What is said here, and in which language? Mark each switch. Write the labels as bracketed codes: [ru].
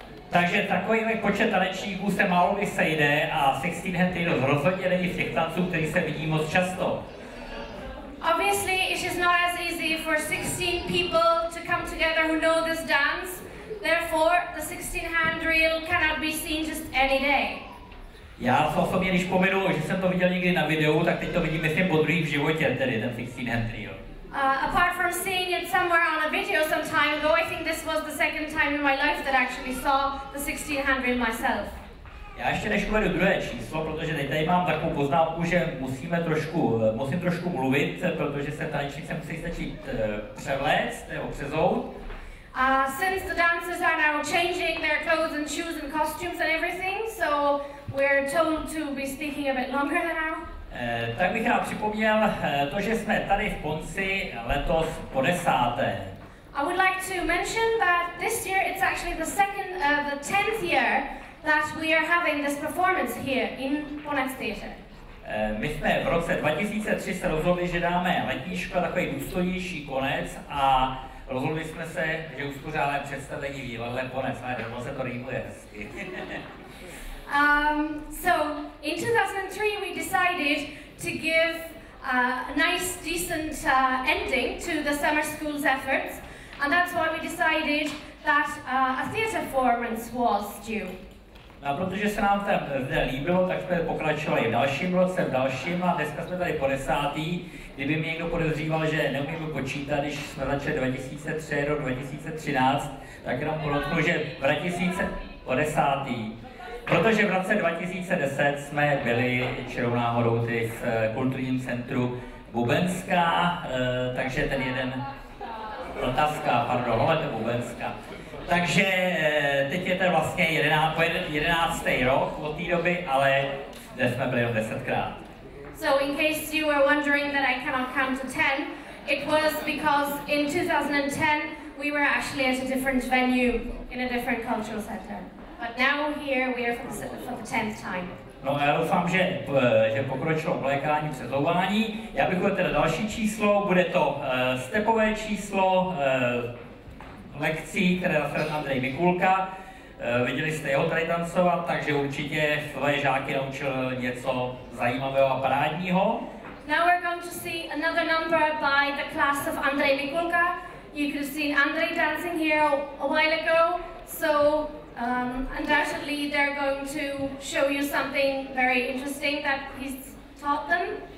[cs] takže takovýhle počet tanečníků se málo by sejde a 16 hand tables rozhodně není v těch tanců, který se vidí moc často. [en] Obviously, it is not as easy for 16 people to come together who know this dance. Therefore, the 16 hand reel cannot be seen just any day. [cs] Já se osobně, když pominu, že jsem to viděl někdy na videu, tak teď to vidím, myslím, po druhý v životě, tedy ten 16 hand reel. [en] Apart from seeing it somewhere on a video some time ago, I think this was the second time in my life that I actually saw the 16 hand reel myself. [cs] Já ještě než uvedu druhé číslo, protože teď tady mám takovou poznámku, že musím trošku mluvit, protože se tanečník se musí začít převléct nebo přezout. [en] Since the dancers are now changing their clothes and shoes and costumes and everything, so we're told to be speaking a bit longer than now. [cs] Tak bych rád připomněl to, že jsme tady v Ponci letos po desáté. [en] I would like to mention that this year it's actually the second, the 10th year that we are having this performance here in Ponec Theatre. [cs] My jsme v roce 2003 se rozhodli, že dáme letníško takový důstojnější konec a rozhodli jsme se, že uspořádáme představení výlele Ponec, ale dobro se to rýmuje hezky. [en] So in 2003 we decided to give a nice decent ending to the summer school's efforts, and that's why we decided that a theatre performance was due. [cs] No, protože se nám tam zde líbilo, tak jsme pokračovali v dalším roce, v dalším, a dneska jsme tady po desátý. Kdyby mi někdo podezříval, že neumím počítat, když jsme začali 2003 do 2013, tak jenom podotknu, že v 2010. Protože v roce 2010 jsme byli čirou náhodou tady v kulturním centru Bubenská, takže ten jeden... Vltavská, pardon, ale to Bubenská. Takže teď je to vlastně 11. rok od té doby, ale zde jsme byli jen 10krát. [en] So in case you were wondering that I cannot count to 10, it was because in 2010 we were actually at a different venue in a different cultural center. But now here we are for the 10th time. [cs] No a já doufám, že pokročilo oblékání, přezouvání. Já bych uvedl teda další číslo, bude to stepové číslo lekcí, které nastavil Andrej Mikulka. Viděli jste jeho tady tancovat, takže určitě své žáky naučil něco zajímavého a parádního. [en] Now we're going to see another number by the class of Andrej Mikulka. You could have seen Andrej dancing here a while ago, so undoubtedly they're going to show you something very interesting that he's taught them.